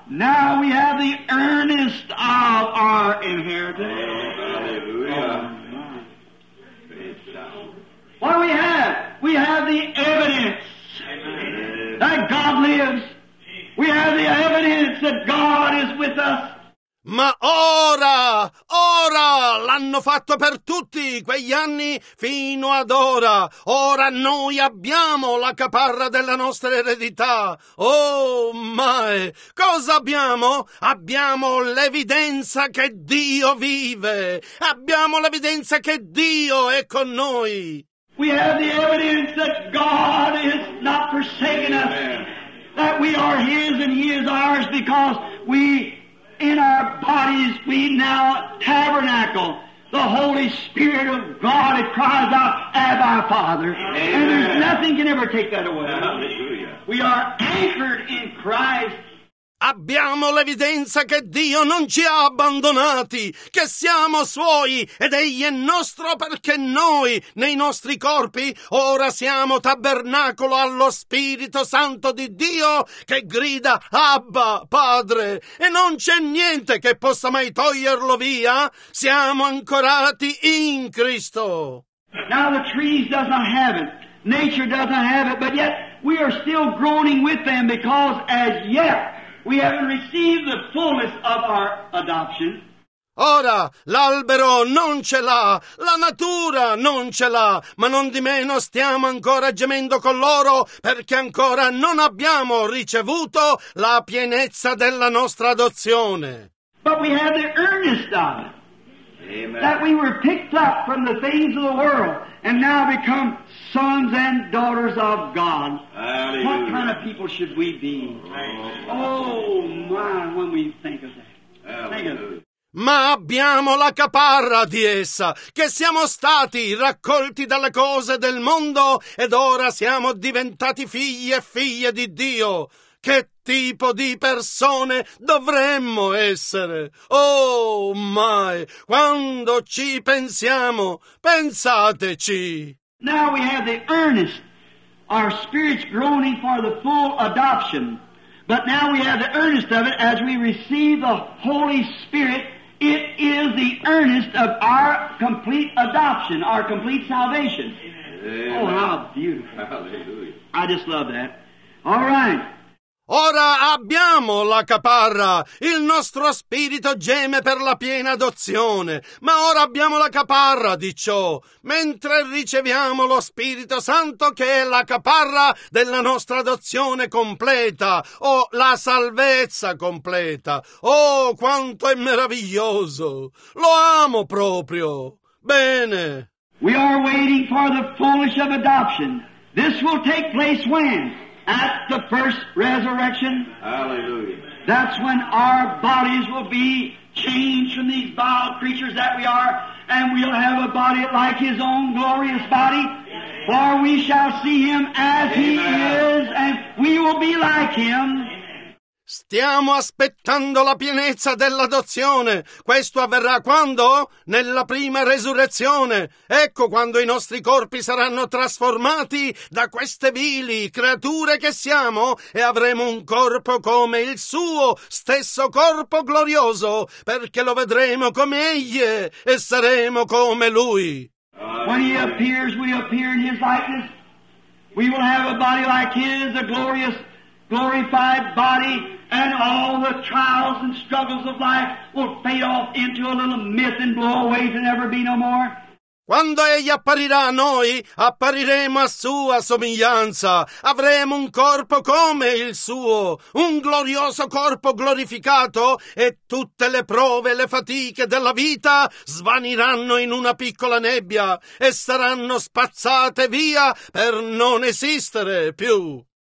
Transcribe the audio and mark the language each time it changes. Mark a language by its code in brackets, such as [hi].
[en] Now we have the earnest of our inheritance. Hallelujah. What do we have? We have the evidence that God lives. We have the evidence that God is with us. [it] Ma ora, ora, l'hanno fatto per tutti quegli anni fino ad ora. Ora noi abbiamo la caparra della nostra eredità. Oh, mai! Cosa abbiamo? Abbiamo l'evidenza che Dio vive. Abbiamo l'evidenza che Dio è con noi. [en] We have the evidence that God is not forsaken us. That we are His and He is ours because we... In our bodies we now tabernacle. the Holy Spirit of God. It cries out, Abba, Father. Amen. And there's nothing can ever take that away. Hallelujah. We are anchored in Christ. [it] Abbiamo l'evidenza che Dio non ci ha abbandonati, che siamo suoi ed egli è nostro, perché noi, nei nostri corpi, ora siamo tabernacolo allo Spirito Santo di Dio, che grida Abba, Padre, e non c'è niente che possa mai toglierlo via. Siamo ancorati in Cristo. [en] Now the trees doesn't have it, nature doesn't have it, but yet we are still groaning with them, because as yet we haven't received the fullness of our adoption. [it] Ora, l'albero non ce l'ha, la natura non ce l'ha, ma non di meno stiamo ancora gemendo con loro, perché ancora non abbiamo ricevuto la pienezza della nostra adozione. [en] But we have the earnest of it. Amen. That we were picked up from the things of the world and now become sons and daughters of God. Hallelujah. What kind of people should we be? Oh my, when we think of that. Hallelujah. [it] Ma abbiamo la caparra di essa, che siamo stati raccolti dalle cose del mondo ed ora siamo diventati figli e figlie di Dio. Che tipo di persone dovremmo essere? Oh, mai! Quando ci pensiamo, pensateci! [en] Now we have the earnest, our spirits groaning for the full adoption. But now we have the earnest of it as we receive the Holy Spirit. It is the earnest of our complete adoption, our complete salvation. Amen. Oh, how beautiful. Hallelujah. I just love that. All right. [it] Ora abbiamo la caparra, il nostro spirito geme per la piena adozione, ma ora abbiamo la caparra di ciò, mentre riceviamo lo Spirito Santo, che è la caparra della nostra adozione completa, o la salvezza completa. Oh, quanto è meraviglioso! Lo amo proprio! Bene! [en] We are waiting for the fullness of adoption. This will take place when? At the first resurrection. Hallelujah. That's when our bodies will be changed from these vile creatures that we are, and we'll have a body like His own glorious body. Amen. For we shall see Him as Amen. He is, and we will be like Him. [it] Stiamo aspettando la pienezza dell'adozione. Questo avverrà quando? Nella prima resurrezione. Ecco quando i nostri corpi saranno trasformati da queste vili creature che siamo e avremo un corpo come il suo stesso corpo glorioso, perché lo vedremo come egli è e saremo come lui. [en] When he appears, we appear in his likeness. We will have a body like his, a glorious, glorified body. And all the trials and struggles of life will fade off into a little mist and blow away to never be no more. [it] Quando egli apparirà a noi, appariremo a sua somiglianza. Avremo un corpo come il suo, un glorioso corpo glorificato, e tutte le prove e le fatiche della vita svaniranno in una piccola nebbia e saranno spazzate via per non esistere più.